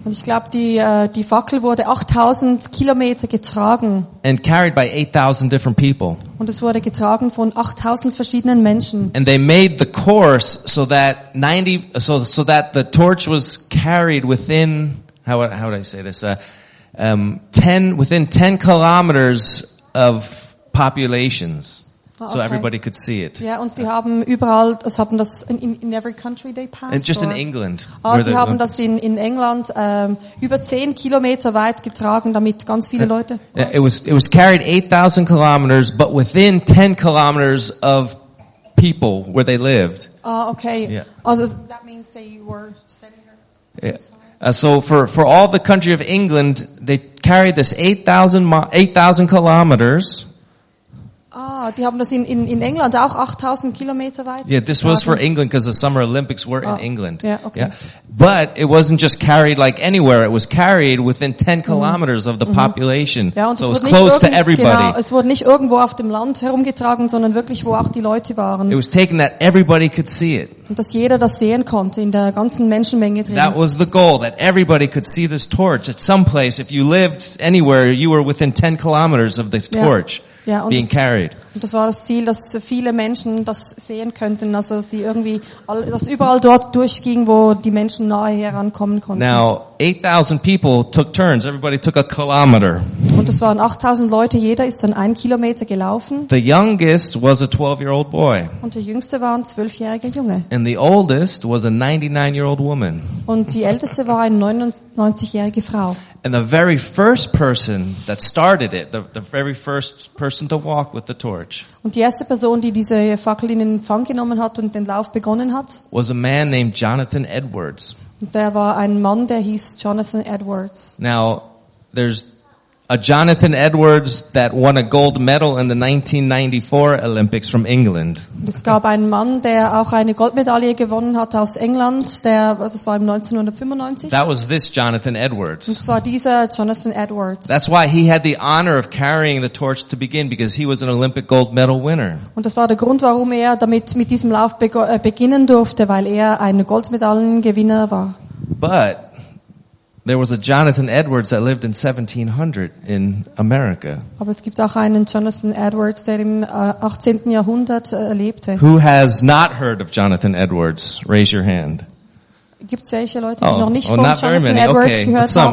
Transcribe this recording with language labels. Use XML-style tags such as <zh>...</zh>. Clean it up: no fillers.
<de>Und ich glaube, die Fackel wurde 8,000 Kilometer getragen.</de> <en>And carried by 8,000 different people.</en> <de>Und es wurde getragen von 8,000 verschiedenen Menschen.</de> <en>And they made the course so that so that the torch was carried within, how would I say this? Within 10 kilometers of populations. So everybody could see it.</en> <de>Yeah, und sie haben überall, es haben das</de> <en>in every country they passed. And just or? In England.</en> <de>Ah, die haben das in England über 10 Kilometer weit getragen, damit ganz viele Leute.</de> <en>It was carried 8,000 kilometers, but within 10 kilometers of people where they lived. Ah, okay. Yeah. Also, that means they were sending her. So for all the country of England, they carried this 8,000 kilometers.</en> <de>Ah, die haben das in England auch 8,000 Kilometer weit.</de> <en>Yeah, this was for England because the Summer Olympics were in England. Yeah, okay. Yeah. But it wasn't just carried like anywhere. It was carried within 10 kilometers of the population.</en> <de>Ja, und</de> <en>so it was close to everybody.</en> <de>Genau, es wurde nicht irgendwo auf dem Land herumgetragen, sondern wirklich, wo auch die Leute waren.</de> <en>It was taken that everybody could see it.</en> <de>Und dass jeder das sehen konnte in der ganzen Menschenmenge drin.</de> <en>That was the goal, that everybody could see this torch at some place. If you lived anywhere, you were within 10 kilometers of this torch.</en> <de>Ja. Ja, und</de> <en>being carried.</en> <de>Und das war das Ziel, dass viele Menschen das sehen könnten, also sie irgendwie, dass überall dort durchging, wo die Menschen nahe herankommen konnten.</de> <en>Now, 8,000 people took turns. Everybody took a kilometer.</en> <de>Und es waren 8,000 Leute. Jeder ist dann ein Kilometer gelaufen.</de> <en>The youngest was a 12-year-old boy.</en> <de>Und der Jüngste war ein 12-jähriger Junge.</de> <en>And the oldest was a 99-year-old woman.</en> <de>Und die Älteste war eine 99-jährige Frau.</de> <en>And the very first person that started it, the very first person to walk with the torch.</en> <de>Und die erste Person, die diese Fackel in Empfang genommen hat und den Lauf begonnen hat,</de> <en>was a man named Jonathan Edwards.</en> <de>Und der war ein Mann, der hieß Jonathan Edwards.</de> <en>Now, there's a Jonathan Edwards that won a gold medal in the 1994 Olympics from England.</en> <de>Es gab einen Mann, der auch eine Goldmedaille gewonnen hat aus England. Das war im 1995.</de> <en>That was this Jonathan Edwards.</en> <de>Das war dieser Jonathan Edwards.</de> <en>That's why he had the honor of carrying the torch to begin, because he was an Olympic gold medal winner.</en> <de>Und das war der Grund, warum er damit mit diesem Lauf beginnen durfte, weil er ein Goldmedaillengewinner war.</de> <en>But there was a Jonathan Edwards that lived in 1700 in America.</en> <de>Aber es gibt auch einen Jonathan Edwards, der im 18. Jahrhundert lebte.</de> <en>Who has not heard of Jonathan Edwards? Raise your hand.</en> <de>Gibt's welche Leute, die noch nicht von Jonathan Edwards gehört haben?</de>